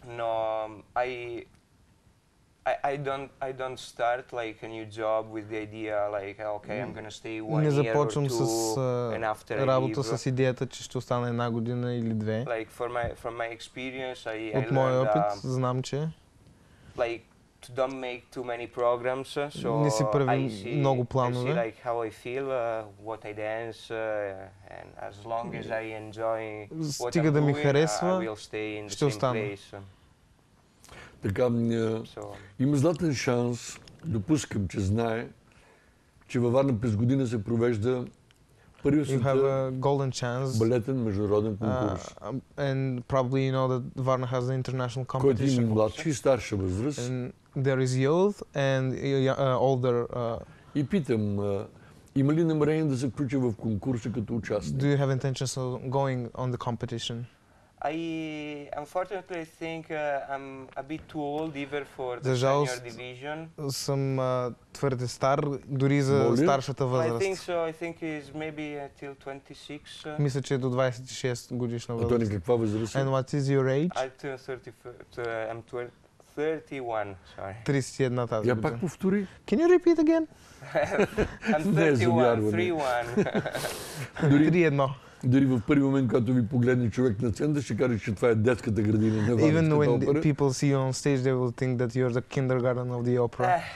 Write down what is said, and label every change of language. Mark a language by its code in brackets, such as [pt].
[en] no, I don't start like a new job with the idea like okay, I'm going to stay one year or two. [bg] С, [en] and after [bg] работа [en] leave. [bg] С идеята, че ще остана една година или две. [en] Like from my experience, I [bg] от моя опит, знам че [en] like to don't make too many programs, so [bg] не си прави много планове. [en] I see like how I feel, what I dance, and as long as I enjoy what [bg] стига [en] I'm [bg] да ми [en] doing, [bg] харесва, [en] I will stay in [bg] ще [en] the same place. [bg] Така, има златен шанс, допускам, че знае, че във Варна през година се провежда първия балетен международен конкурс. [en] And probably you know that Varna has an international competition. [bg] Който има младши и старша възраст. [en] And there is youth and older. [bg] И питам, има ли намерение да се включи в конкурса като участник? [en] Do you have intentions of going on the competition? Unfortunately, I think I'm a bit too old even for the senior division. [bg] Съм твърде стар дори за старшата възраст. [en] I think so. I think it's maybe until 26. [bg] Мисля, че е до 26 годишна възраст. А то ли каква възраст? [en] And what is your age? I'm 31, sorry. [bg] 31 тази година. Я пак повтори. [en] Can you repeat again? I'm 31, 31. [bg] Дори в първи момент, когато ви погледне човек на сцената, ще каже, че това е детската градина на Варненската опера. [en] Even when people see you on stage, they will think that you're the kindergarten of the opera.